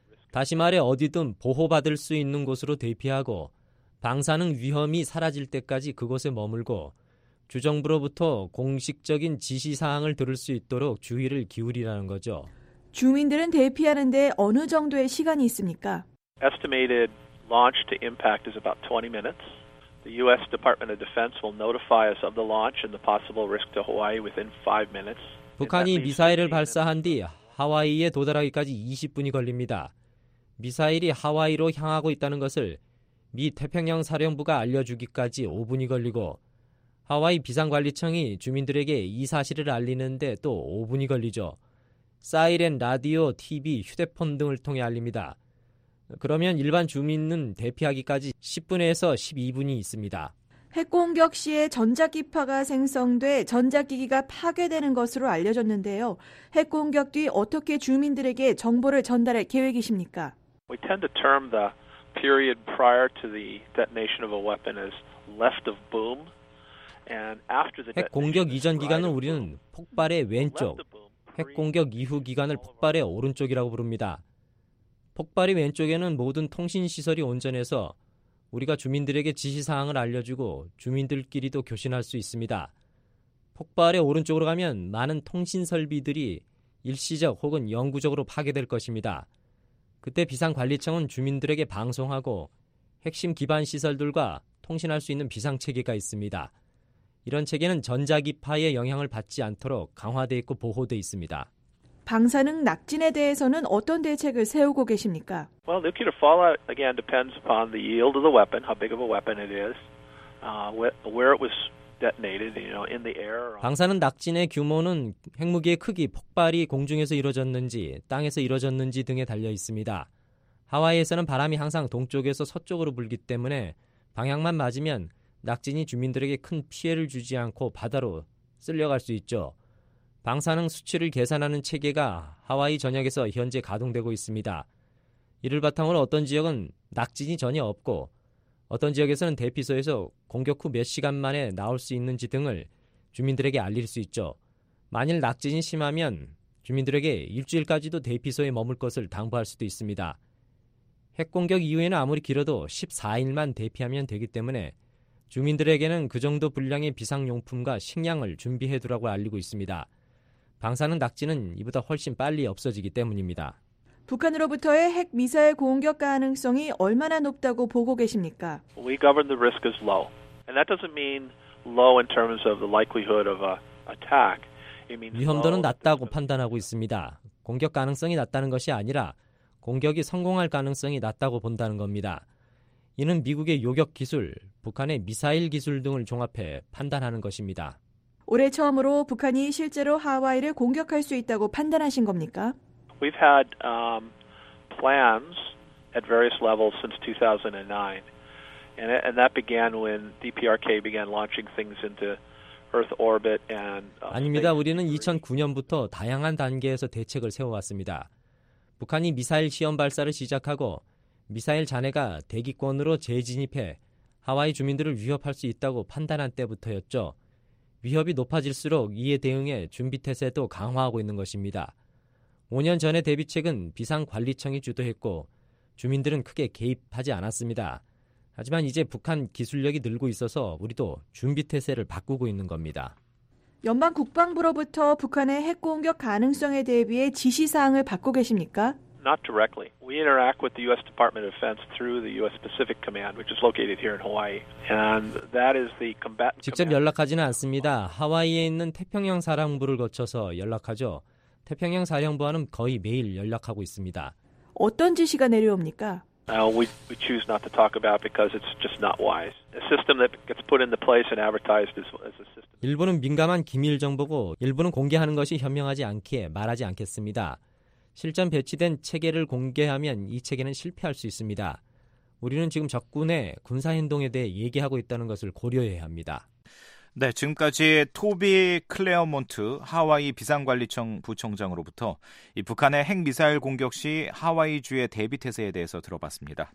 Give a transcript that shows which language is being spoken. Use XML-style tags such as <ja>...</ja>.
<ko>다시 말해 어디든 보호받을 수 있는 곳으로 대피하고 방사능 위험이 사라질 때까지 그곳에 머물고 주정부로부터 공식적인 지시사항을 들을 수 있도록 주의를 기울이라는 거죠. 주민들은 대피하는 데 어느 정도의 시간이 있습니까?</ko> <en>Estimated launch to impact is about 20 minutes. The U.S. Department of Defense will notify us of the launch and the possible risk to Hawaii within 5 minutes.</en> <ko>북한이 미사일을 발사한 뒤 하와이에 도달하기까지 20분이 걸립니다. 미사일이 하와이로 향하고 있다는 것을 미 태평양 사령부가 알려주기까지 5분이 걸리고 하와이 비상관리청이 주민들에게 이 사실을 알리는데 또 5분이 걸리죠. 사이렌, 라디오, TV, 휴대폰 등을 통해 알립니다. 그러면 일반 주민은 대피하기까지 10분에서 12분이 있습니다. 핵공격 시에 전자기파가 생성돼 전자기기가 파괴되는 것으로 알려졌는데요. 핵공격 뒤 어떻게 주민들에게 정보를 전달할 계획이십니까?</ko> <en>We tend to term the period prior to the detonation of a weapon as left of boom.</en> <ko>핵 공격 이전 기간을 우리는 폭발의 왼쪽, 핵 공격 이후 기간을 폭발의 오른쪽이라고 부릅니다. 폭발의 왼쪽에는 모든 통신 시설이 온전해서 우리가 주민들에게 지시 사항을 알려주고 주민들끼리도 교신할 수 있습니다. 폭발의 오른쪽으로 가면 많은 통신 설비들이 일시적 혹은 영구적으로 파괴될 것입니다. 그때 비상관리청은 주민들에게 방송하고 핵심 기반 시설들과 통신할 수 있는 비상체계가 있습니다. 이런 체계는 전자기파의 영향을 받지 않도록 강화되어 있고 보호되어 있습니다. 방사능 낙진에 대해서는 어떤 대책을 세우고 계십니까?</ko> <en>Well, nuclear fallout again depends upon the yield of the weapon, how big of a weapon it is, where it was detonated, you know, in the air.</en> <ko>방사능 낙진의 규모는 핵무기의 크기, 폭발이 공중에서 이루어졌는지, 땅에서 이루어졌는지 등에 달려 있습니다. 하와이에서는 바람이 항상 동쪽에서 서쪽으로 불기 때문에 방향만 맞으면 낙진이 주민들에게 큰 피해를 주지 않고 바다로 쓸려갈 수 있죠. 방사능 수치를 계산하는 체계가 하와이 전역에서 현재 가동되고 있습니다. 이를 바탕으로 어떤 지역은 낙진이 전혀 없고 어떤 지역에서는 대피소에서 공격 후 몇 시간 만에 나올 수 있는지 등을 주민들에게 알릴 수 있죠. 만일 낙진이 심하면 주민들에게 일주일까지도 대피소에 머물 것을 당부할 수도 있습니다. 핵 공격 이후에는 아무리 길어도 14일만 대피하면 되기 때문에 주민들에게는 그 정도 분량의 비상용품과 식량을 준비해두라고 알리고 있습니다. 방사능 낙진은 이보다 훨씬 빨리 없어지기 때문입니다. 북한으로부터의 핵미사일 공격 가능성이 얼마나 높다고 보고 계십니까?</ko> <en>We govern the risk as low. And that doesn't mean low in terms of the likelihood of an attack. It means</en> <ko>위험도는 낮다고 판단하고 있습니다. 공격 가능성이 낮다는 것이 아니라 공격이 성공할 가능성이 낮다고 본다는 겁니다. 이는 미국의 요격 기술, 북한의 미사일 기술 등을 종합해 판단하는 것입니다. 올해 처음으로 북한이 실제로 하와이를 공격할 수 있다고 판단하신 겁니까?</ko> <en>We've had plans at various levels since 2009. And that began when DPRK began launching things into Earth orbit and</en> <ko>아닙니다. 우리는 2009년부터 다양한 단계에서 대책을 세워왔습니다. 북한이 미사일 시험 발사를 시작하고 미사일 잔해가 대기권으로 재진입해 하와이 주민들을 위협할 수 있다고 판단한 때부터였죠. 위협이 높아질수록 이에 대응해 준비태세도 강화하고 있는 것입니다. 5년 전에 대비책은 비상관리청이 주도했고 주민들은 크게 개입하지 않았습니다. 하지만 이제 북한 기술력이 늘고 있어서 우리도 준비태세를 바꾸고 있는 겁니다. 연방 국방부로부터 북한의 핵 공격 가능성에 대비해 지시사항을 받고 계십니까?</ko> <en>Not directly. We interact with the U.S. Department of Defense through the U.S. Pacific Command, which is located here in Hawaii, and that is the combatant.</en> <ko>직접 연락하지는 않습니다. 하와이에 있는 태평양 사령부를 거쳐서 연락하죠. 태평양 사령부와는 거의 매일 연락하고 있습니다. 어떤 지시가 내려옵니까?</ko> <en>We choose not to talk about because it's just not wise. A system that gets put into place and advertised as a system.</en> <ko>일부는 민감한 기밀 정보고 일부는 공개하는 것이 현명하지 않기에 말하지 않겠습니다. 실전 배치된 체계를 공개하면 이 체계는 실패할 수 있습니다. 우리는 지금 적군의 군사 행동에 대해 얘기하고 있다는 것을 고려해야 합니다. 네, 지금까지 토비 클레어몬트 하와이 비상관리청 부총장으로부터 이 북한의 핵미사일 공격 시 하와이주의 대비태세에 대해서 들어봤습니다.</ko>